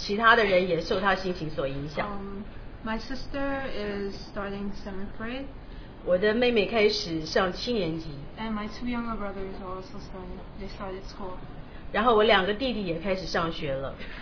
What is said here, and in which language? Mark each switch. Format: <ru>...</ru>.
<zh>因为她自己心情不好，所以我们其他的人也受她心情所影响。</zh> <en>My sister is starting 7th grade.</en> <zh>我的妹妹开始上七年级。</zh> <en>And my two younger brothers are also starting, they started school.</en> <zh>然后我两个弟弟也开始上学了。</zh>